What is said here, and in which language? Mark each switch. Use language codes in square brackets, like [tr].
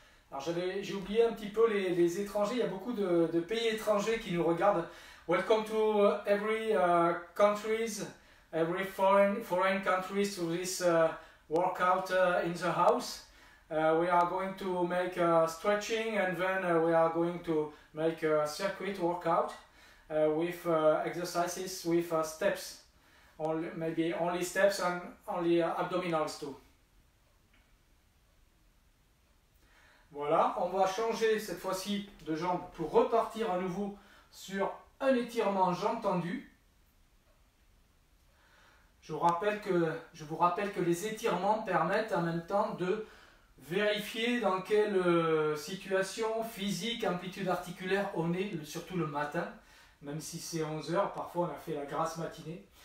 [fr] Alors j'ai oublié un petit peu les étrangers, il y a beaucoup de pays étrangers qui nous regardent. [en] Welcome to every countries, every foreign countries to this workout in the house. We are going to make a stretching and then we are going to make a circuit workout with exercises, with steps, maybe only steps and only abdominals too. [fr] Voilà, on va changer cette fois-ci de jambe pour repartir à nouveau sur un étirement jambe tendue. Je vous rappelle que les étirements permettent en même temps de vérifier dans quelle situation physique, amplitude articulaire on est, surtout le matin, même si c'est 11h, parfois on a fait la grasse matinée.